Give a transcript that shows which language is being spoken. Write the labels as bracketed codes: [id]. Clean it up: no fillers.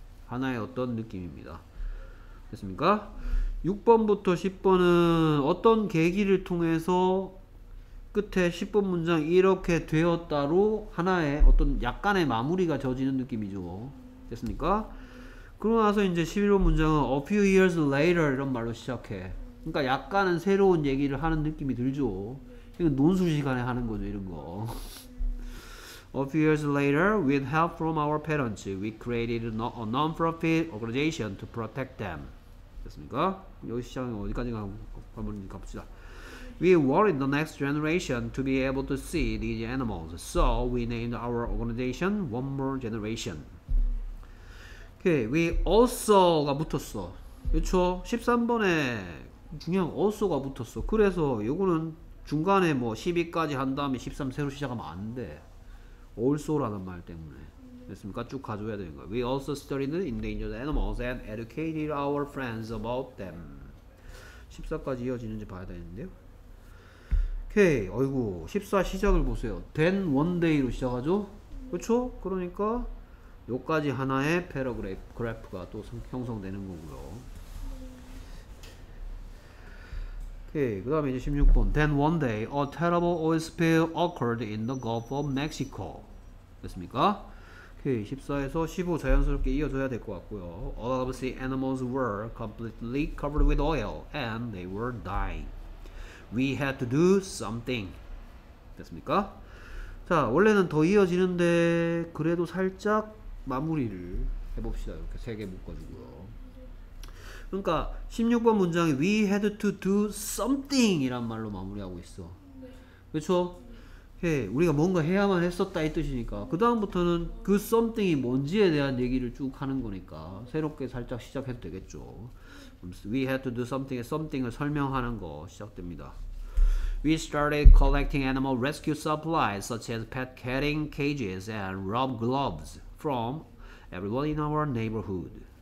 [ko] 하나의 어떤 느낌입니다. 됐습니까? 6번부터 10번은 어떤 계기를 통해서 끝에 10번 문장 이렇게 되었다로 하나의 어떤 약간의 마무리가 져지는 느낌이죠. 됐습니까? 그러고 나서 이제 11번 문장은 [en] A few years later [ko] 이런 말로 시작해. 그러니까 약간은 새로운 얘기를 하는 느낌이 들죠. 이건 논술 시간에 하는 거죠, 이런 거. [en] A few years later, with help from our parents, we created a non-profit organization to protect them. [ko] 됐습니까? 여기 시작은 어디까지 가면 갑시다. [en] We wanted the next generation to be able to see these animals, so we named our organization One More Generation. [ko] Okay, we also가 붙었어. 그렇죠? 13번에 중요한 also가 붙었어. 그래서 이거는 중간에 뭐 12까지 한 다음에 13 새로 시작하면 안 돼. Also라는 말 때문에. 됐습니까? 쭉 가져와야 되는 거야. [en] We also studied endangered animals and educated our friends about them. [ko] 14까지 이어지는지 봐야 되는데요. 오케이. 어이구. 14 시작을 보세요. Then one day로 시작하죠? 그렇죠? 그러니까 여기까지 하나의 패러그래프가 또 형성되는 거고요. 예, 그 다음에 이제 16번. [en] Then one day, a terrible oil spill occurred in the Gulf of Mexico. [ko] 됐습니까? 오케이, 14에서 15 자연스럽게 이어져야 될 것 같고요. [en] All of the animals were completely covered with oil and they were dying. We had to do something. [ko] 됐습니까? 자, 원래는 더 이어지는데 그래도 살짝 마무리를 해봅시다. 이렇게 세 개 묶어주고요. 그러니까 16번 문장에 [en] We had to do something [ko] 이란 말로 마무리하고 있어. 그쵸? 우리가 뭔가 해야만 했었다 이 뜻이니까 그 다음부터는 그 something이 뭔지에 대한 얘기를 쭉 하는 거니까 새롭게 살짝 시작해도 되겠죠. [en] We had to do something의 something을 [ko] 설명하는 거 시작됩니다. [en] We started collecting animal rescue supplies such as pet catting cages and rubber gloves from everyone in our neighborhood.